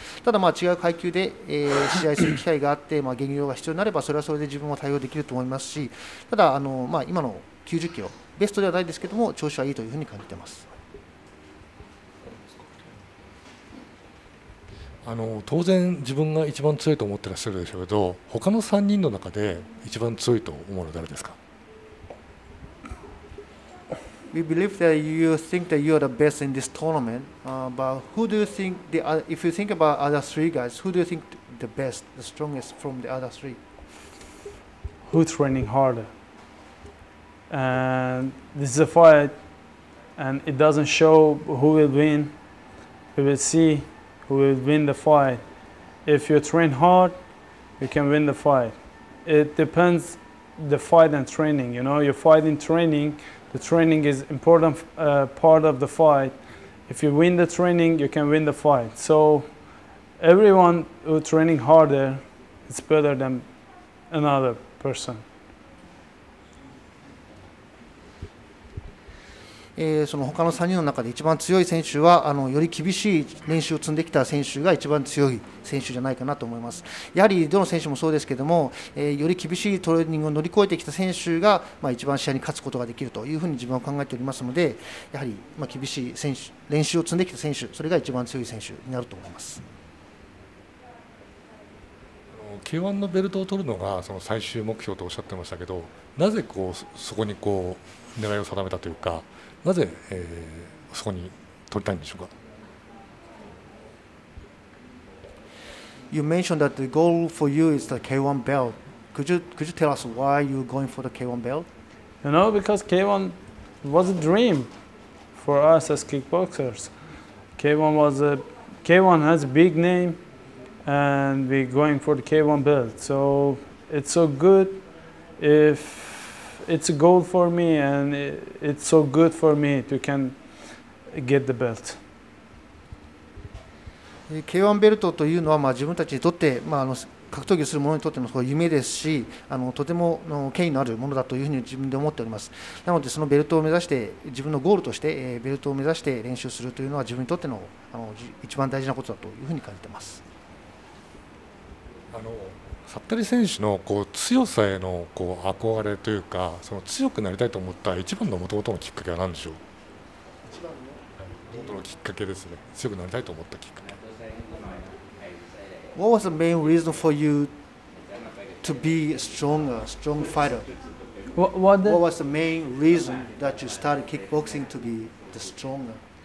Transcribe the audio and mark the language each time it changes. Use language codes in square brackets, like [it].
[ja] ただまあ違う階級で試合する機会があって、まあ、減量が必要になれば、それはそれで自分も対応できると思いますし、ただまあ今の90キロ、ベストではないですけども、調子はいいというふうに感じています。当然自分が一番強いと思ってらっしゃるでしょうけど、他の3人の中で一番強いと思うのは誰ですか？ [en] We believe that you think that you are the best in this tournament. But who do you think the other, if you think about other three guys, who do you think the best, the strongest from the other three? Who training harder? And this is a fight, and it doesn't show who will win. We will see. Who will win the fight? If you train hard, you can win the fight. It depends the fight and training. You know, you fight in training. The training is important part of the fight. If you win the training, you can win the fight. So everyone who training harder is better than another person. [ja] その他の3人の中で一番強い選手はより厳しい練習を積んできた選手が一番強い選手じゃないかなと思います。やはりどの選手もそうですけども、より厳しいトレーニングを乗り越えてきた選手が、まあ、一番試合に勝つことができるというふうに自分は考えておりますので、やはり、まあ、厳しい選手、練習を積んできた選手、それが一番強い選手になると思います。 K-1 のベルトを取るのがその最終目標とおっしゃってましたけど、なぜこうそこにこう狙いを定めたというか、なぜ、そこに取りたいんでしょうか。 [en] You mentioned that the goal for you is the K-1 belt. Could you tell us why you're going for the K-1 belt? You know, because K-1 was a dream for us as kickboxers. K-1 has a big name and we're going for the K-1 belt. So it's so good if... It's a goal for me, and it's so good for me to can get the belt. [ja] K-1 ベルトというのは、まあ、自分たちにとって、まあ、格闘技をする者にとっての夢ですし、とても権威のあるものだというふうに自分で思っております。なので、そのベルトを目指して、自分のゴールとして、ベルトを目指して練習するというのは、自分にとっての一番大事なことだというふうに感じています。サッタリ選手のこう強さへのこう憧れというか、その強くなりたいと思った一番の元々のきっかけは何でしょう。一番の元々のきっかけですね。強くなりたいと思ったきっかけ。 [en] What was the main reason for you to be a strong fighter? What was the main reason that you started kickboxing to be the strong man?